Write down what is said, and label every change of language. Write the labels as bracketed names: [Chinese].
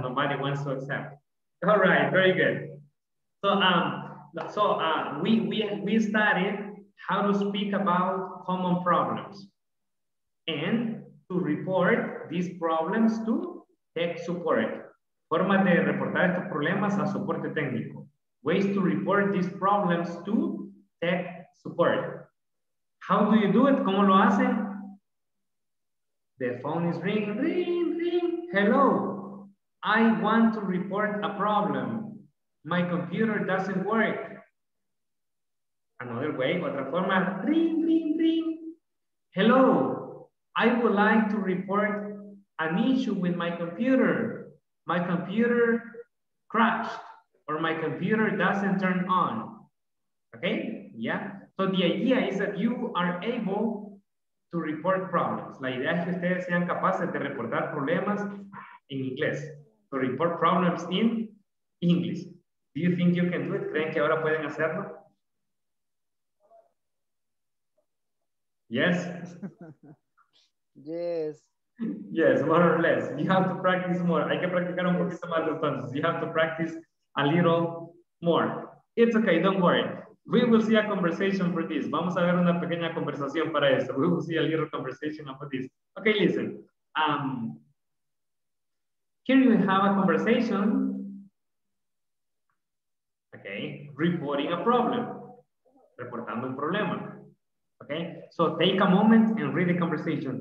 [English] Nobody wants to accept. All right, very good. So we started how to speak about common problems and to report these problems to tech support. [Spanish] Formas de reportar estos problemas a soporte técnico. [English] Ways to report these problems to tech support. How do you do it? [Spanish] ¿Cómo lo hacen? [English] The phone is ringing, ring, ring. Hello, I want to report a problem. My computer doesn't work. Another way, [Spanish] otra forma, [English] ring, ring, ring. Hello, I would like to report an issue with my computer. My computer crashed or my computer doesn't turn on. Okay, yeah. So the idea is that you are able to report problems. [Spanish] La idea es que ustedes sean capaces de reportar problemas en inglés. [English] To report problems in English. Do you think you can do it? [Spanish] ¿Creen que ahora pueden hacerlo? [English] Yes. Yes. Yes, more or less. You have to practice more. [Spanish] Hay que practicar un poquito más entonces. [English] You have to practice a little more. It's okay, don't worry. We will see a conversation for this. [Spanish] Vamos a ver una pequeña conversación para esto. [English] We will see a little conversation about this. Okay, listen. Here you have a conversation. Okay, reporting a problem. [Spanish] Reportando un problema. [English] Okay, so take a moment and read the conversation.